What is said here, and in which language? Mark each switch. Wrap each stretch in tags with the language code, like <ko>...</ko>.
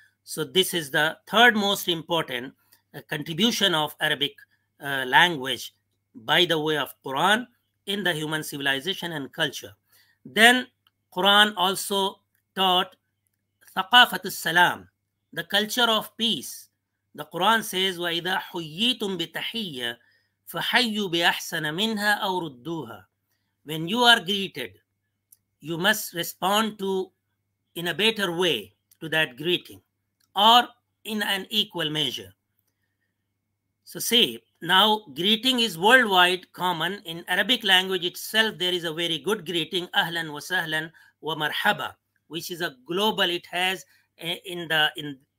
<en>So this is the third most important contribution of Arabic language by the way of Quran in the human civilization and culture. Then Quran also taught</en> <ar>ثقافه السلام,</ar> <en>the culture of peace. The Quran says</en> <ar>واذا حييتم بتحيه فحيوا باحسن منها او ردوها.</ar> <en>When you are greeted, you must respond to in a better way to that greeting, or in an equal measure. So see, now greeting is worldwide common. In Arabic language itself, there is a very good greeting,</en> <ar>ahlan wa sahlan wa marhaba,</ar> <en>which is a global, it has in</en>